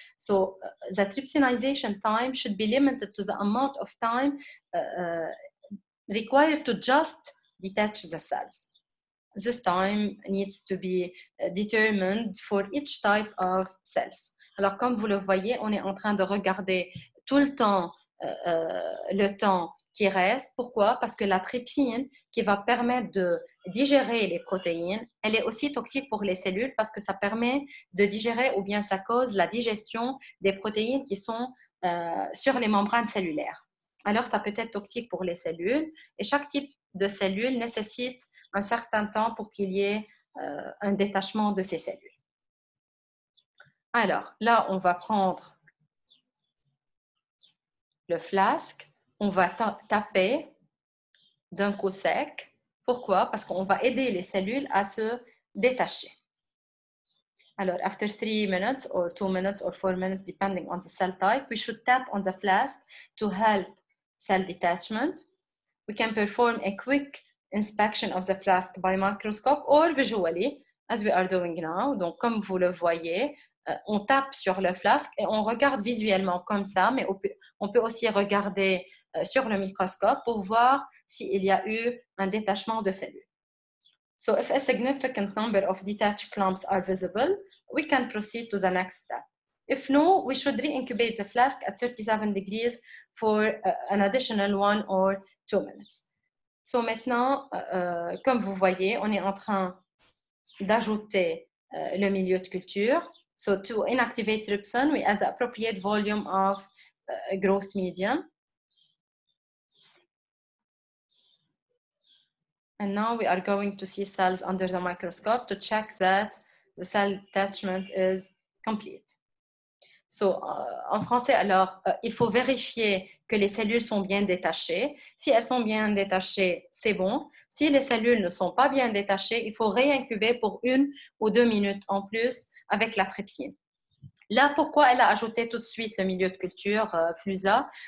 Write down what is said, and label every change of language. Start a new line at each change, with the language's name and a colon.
English: So the trypsinization time should be limited to the amount of time required to just detach the cells. This time needs to be determined for each type of cells.
French: Alors, comme vous le voyez, on est en train de regarder tout le temps le temps qui reste. Pourquoi? Parce que la trypsine qui va permettre de digérer les protéines, elle est aussi toxique pour les cellules parce que ça permet de digérer ou bien ça cause la digestion des protéines qui sont sur les membranes cellulaires. Alors, ça peut être toxique pour les cellules et chaque type de cellule nécessite un certain temps pour qu'il y ait un détachement de ces cellules. Alors, là, on va prendre le flasque, on va taper d'un coup sec. Pourquoi? Parce qu'on va aider les cellules à se détacher.
English: Alors, after 3 minutes or 2 minutes or 4 minutes, depending on the cell type, we should tap on the flask to help cell detachment. We can perform a quick inspection of the flask by microscope or visually, as we are doing now.
French: Donc, comme vous le voyez, on tape sur le flasque et on regarde visuellement comme ça, mais on peut aussi regarder sur le microscope pour voir s'il y a eu un détachement de cellules.
English: So if a significant number of detached clumps are visible, we can proceed to the next step. If no, we should re-incubate the flask at 37 degrees for an additional 1 or 2 minutes.
French: So maintenant, comme vous voyez, on est en train d'ajouter le milieu de culture.
English: So to inactivate trypsin, we add the appropriate volume of growth medium. And now we are going to see cells under the microscope to check that the cell detachment is complete.
French: So en français, alors, il faut vérifier que les cellules sont bien détachées. Si elles sont bien détachées, c'est bon. Si les cellules ne sont pas bien détachées, il faut réincuber pour 1 ou 2 minutes en plus avec la trypsine. Là, pourquoi elle a ajouté tout de suite le milieu de culture, Flusa?